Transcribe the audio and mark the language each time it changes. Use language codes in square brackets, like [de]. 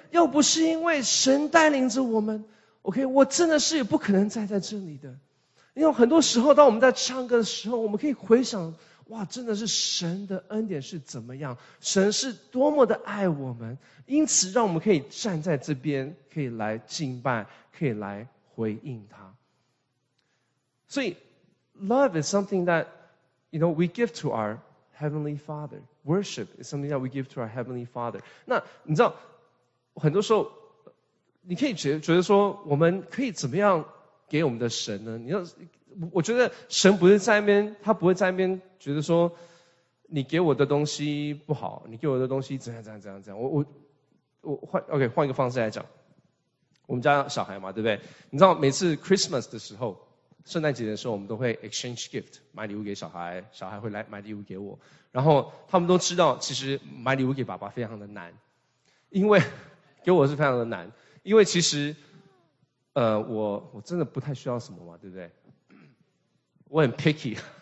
[zh] 要不是因为神带领着我们 ，OK， 我真的是也不可能再在这里的。因为很多时候，当我们在唱歌的时候，我们可以回想哇，真的是神的恩典是怎么样，神是多么的爱我们，因此让我们可以站在这边，可以来敬拜，可以来回应他。所以 [en] love is something that you know, we give to our Heavenly Father. Worship is something that we give to our Heavenly Father. [zh] 那你知道很多时候你可以觉得说我们可以怎么样给我们的神呢，你要我觉得神不是在那边，他不会在那边觉得说你给我的东西不好，你给我的东西怎样。我 okay, 换一个方式来讲，我们家小孩嘛，对不对，你知道每次 Christmas 的时候，圣诞节的时候，我们都会 [en] exchange gift, [zh] 买礼物给小孩，小孩会来买礼物给我，然后他们都知道其实买礼物给爸爸非常的难，因为给我是非常的难，因为其实我真的不太需要什么嘛，对不对，我很 [en] picky,